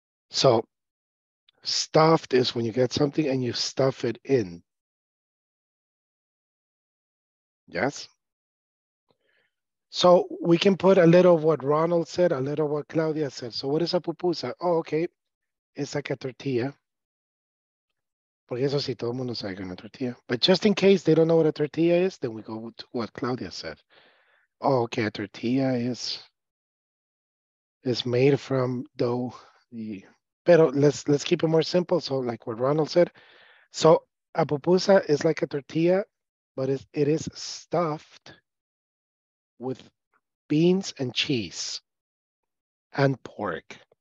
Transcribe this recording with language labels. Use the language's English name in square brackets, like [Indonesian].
[English] So, stuffed is when you get something and you stuff it in. Yes? So, we can put a little of what Ronald said, a little of what Claudia said. So, what is a pupusa? Oh, okay. It's like a tortilla. [Spanish] Porque eso sí, todo el mundo sabe que es una tortilla. [English] But just in case they don't know what a tortilla is, then we go to what Claudia said. Oh, okay, a tortilla is made from dough. Pero let's keep it more simple. So like what Ronald said. So a pupusa is like a tortilla, but it is stuffed with beans and cheese and pork.